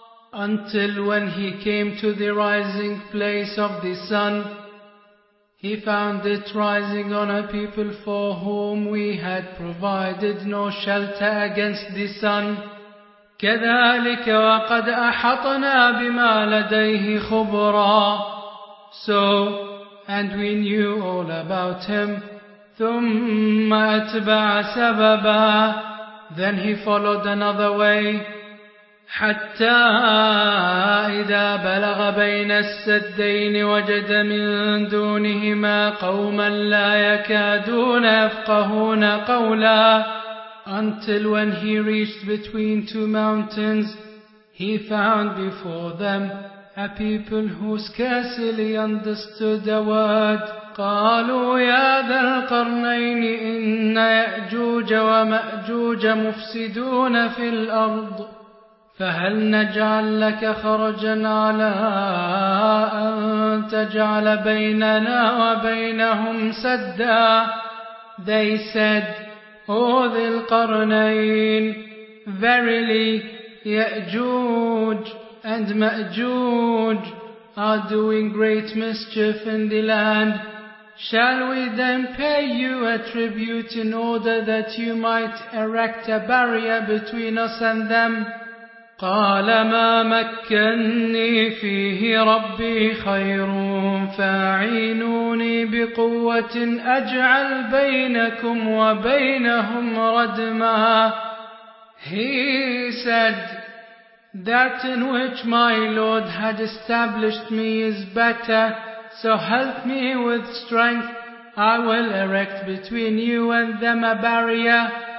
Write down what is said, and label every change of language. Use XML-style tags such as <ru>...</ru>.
<en>Until when he came to the rising place of the sun, he found it rising on a people for whom we had provided no shelter against the sun.</en> <ar>كذلك وقد أحطنا بما لديه خبرا.</ar> <en>So, and we knew all about him.</en> <ar>ثم أتبع سببا.</ar> <en>Then he followed another way.</en> <ar>حتى إذا بلغ بين السدين وجد من دونهما قوما لا يكادون يفقهون قولا.</ar> <en>Until when he reached between two mountains, he found before them a people who scarcely understood a word.</en> <ar>قَالُوا يَا ذَا الْقَرْنَيْنِ إِنَّ يَأْجُوجَ وَمَأْجُوجَ مُفْسِدُونَ فِي الْأَرْضِ فَهَلْ نَجْعَلْ لَكَ خَرْجًا عَلَىٰ أَنْ تَجْعَلَ بَيْنَنَا وَبَيْنَهُمْ سَدًّا.</ar> <en>They said, O ذي القرنين, verily يأجوج and مأجوج are doing great mischief in the land. Shall we then pay you a tribute in order that you might erect a barrier between us and them?</en> <ar>قال ما مكنني فيه ربي خير فاعينوني بقوة أجعل بينكم وبينهم ردما.</ar> <en>He said, that in which my Lord had established me is better, so help me with strength, I will erect between you and them a barrier.</en>